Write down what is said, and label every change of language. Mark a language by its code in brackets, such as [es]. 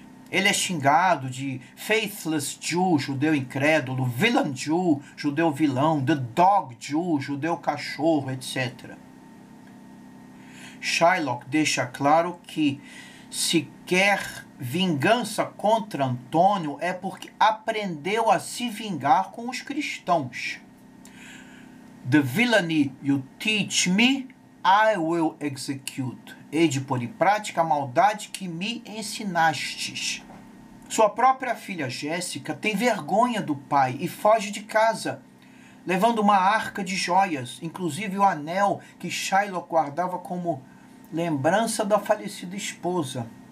[pt] Ele é xingado de [en] faithless Jew, [pt] judeu incrédulo, [en] villain Jew, [pt] judeu vilão, [en] the dog Jew, [pt] judeu cachorro, etc. Shylock deixa claro que se quer vingança contra Antônio é porque aprendeu a se vingar com os cristãos. [en] The villainy you teach me, I will execute. [pt] Hei de pôr em prática a maldade que me ensinastes. Sua própria filha Jéssica tem vergonha do pai e foge de casa, levando uma arca de joias, inclusive o anel que Shylock guardava como lembrança da falecida esposa.